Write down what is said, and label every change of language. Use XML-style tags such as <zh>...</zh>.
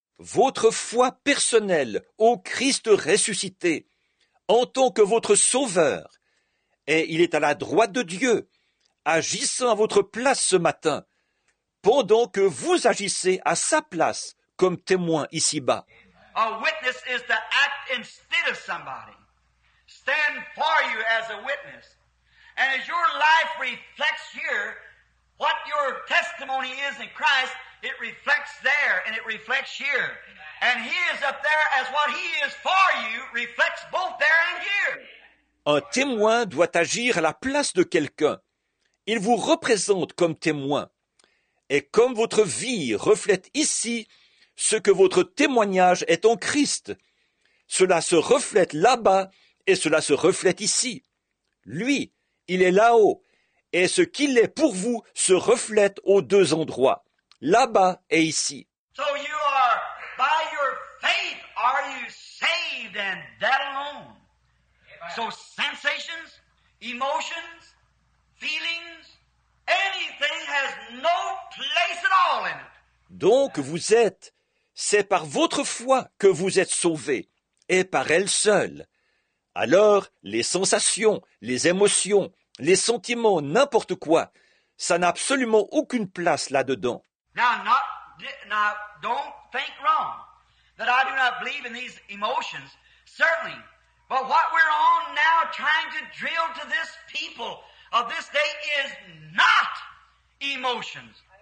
<fr>Votre foi personnelle au Christ ressuscité, en tant que votre Sauveur, et il est à la droite de Dieu, agissant à votre place ce matin, pendant que vous agissez à sa place comme témoin ici-bas.</fr> <en>A witness is to act instead of somebody. Stand for you as a witness. And as your life reflects here, what your testimony is in Christ, it reflects there and it reflects here. And he is up there as what he is for you, reflects both there and here.</en> <fr>Un témoin doit agir à la place de quelqu'un. Il vous représente comme témoin. Et comme votre vie reflète ici, ce que votre témoignage est en Christ. Cela se reflète là-bas et cela se reflète ici. Lui, il est là-haut, et ce qu'il est pour vous se reflète aux deux endroits, là-bas et ici.</fr> <en>So you are, by your faith, are you saved and that alone? So sensations, emotions, feelings, anything has no place at all in it.</en> <fr>Donc vous êtes, c'est par votre foi que vous êtes sauvés, et par elle seule. Alors, les sensations, les émotions, les sentiments, n'importe quoi, ça n'a absolument aucune place là-dedans.</fr> <en>Now, don't think wrong that I do not believe in these emotions, certainly. But what we're on now trying to drill to this people of this day is not emotions.</en>